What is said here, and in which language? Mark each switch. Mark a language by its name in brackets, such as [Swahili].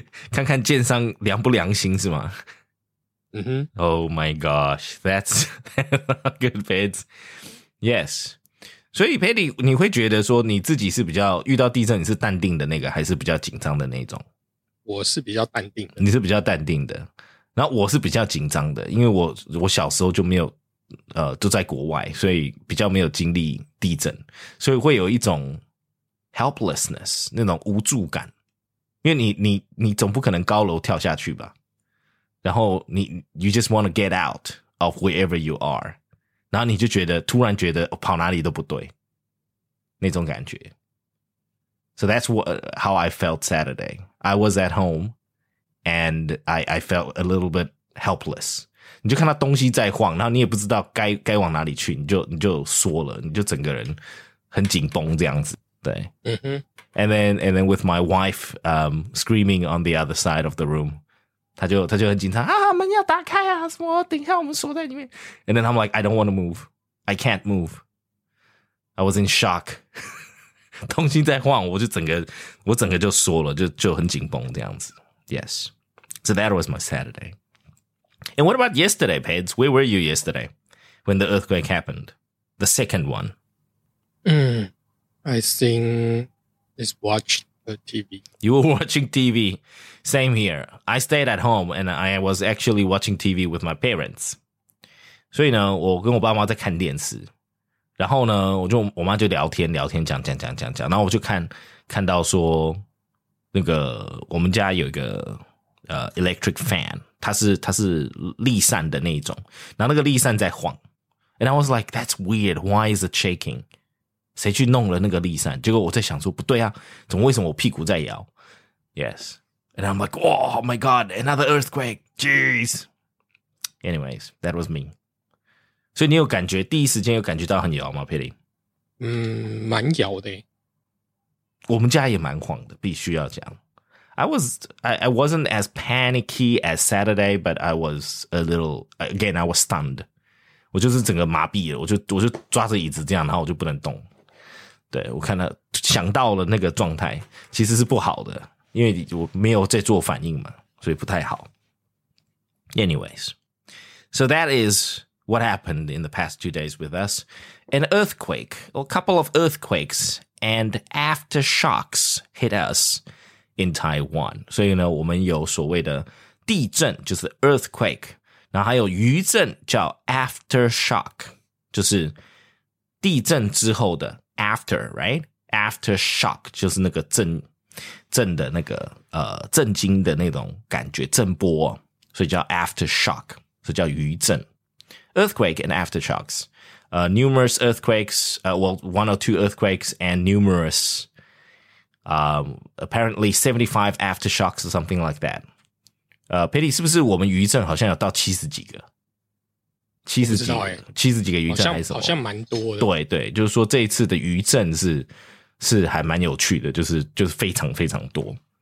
[Chinese] 看看建商良不良心是吗？嗯哼。 [English] Oh my gosh, that's good bits. Yes. [Chinese] 所以 Petty 你会觉得说你自己是比较遇到地震你是淡定的那个还是比较紧张的那种？我是比较淡定的。你是比较淡定的，然后我是比较紧张的，因为我小时候就没有都在国外，所以比较没有经历地震，所以会有一种 helplessness 那种无助感，因为你总不可能高楼跳下去吧，然后你 [English] you just want to get out of wherever you are， [Chinese] 然后你就觉得突然觉得跑哪里都不对那种感觉。 [English] So that's what how I felt Saturday. I was at home and I felt a little bit helpless. [Chinese] 你就看到东西在晃，然后你也不知道该往哪里去，你就缩了，你就整个人很紧绷这样子，对。 [English] And then with my wife screaming on the other side of the room， [Chinese] 他就很紧张啊，门要打开啊，什么？等一下我们锁在里面。 [English] And then I'm like I don't want to move， I can't move， I was in shock， [Chinese] 东西在晃，我整个就缩了，就很紧绷这样子。 [English] Yes， so that was my Saturday. And what about yesterday, Peds? Where were you yesterday when the earthquake happened? The second one? I think it's watched the TV. You were watching TV. Same here. I stayed at home and I was actually watching TV with my parents. [Chinese] 所以呢我跟我爸妈在看电视，然后呢我妈就聊天聊天讲，然后我就看到说那个我们家有一个electric fan, 它是立扇的那一种，然后那个立扇在晃。 [English] And I was like, that's weird, why is it shaking? [Chinese] 谁去弄了那个立扇？结果我在想说不对啊，怎么为什么我屁股在摇？ [English] Yes. And I'm like, oh my god, another earthquake, jeez. Anyways, that was me. [Chinese] 所以你有感觉，第一时间有感觉到很摇吗 Pity? 嗯，蛮摇的。我们家也蛮晃的，必须要讲。 [English] I wasn't as panicky as Saturday, but I was a little, again, I was stunned. [Chinese] 我就是整个麻痹了，我就抓着椅子这样，然后我就不能动。对，我看到，想到了那个状态，其实是不好的，因为我没有在做反应嘛，所以不太好。 [English] Anyways, so that is what happened in the past 2 days with us. An earthquake, or a couple of earthquakes, and aftershocks hit us. In Taiwan. [Chinese] 所以呢我们有所谓的地震就是 earthquake, 然后还有余震叫 aftershock, 就是地震之后的 after, right? Aftershock, 就是那个震的那个震惊的那种感觉震波。所以叫 aftershock, 所以叫余震。 [English] Earthquake and aftershocks, numerous earthquakes, one or two earthquakes and numerous,apparently 75 aftershocks or something like that. [Chinese] Pity, 是不是我们余震好像有到70几个？ 70几个余震还是什么？好像蛮多的。对对，就是说这一次的余震是还蛮有趣的，就是非常非常多。